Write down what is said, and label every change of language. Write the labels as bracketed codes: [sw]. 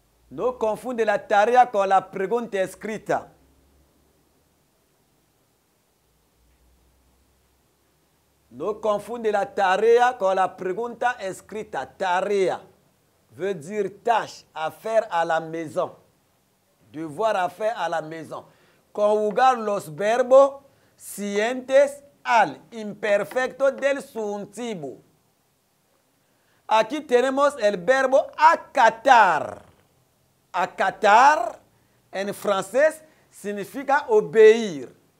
[es] No confunde la tarea con la pregunta escrita. No confunde la tarea con la pregunta escrita. [fr] Tarea veut dire tâche à faire à la maison. Devoir à faire à la maison. [es] Conjugar los verbos siguientes al imperfecto del subjuntivo. Aquí tenemos el verbo acatar. Acatar en francés significa obéir.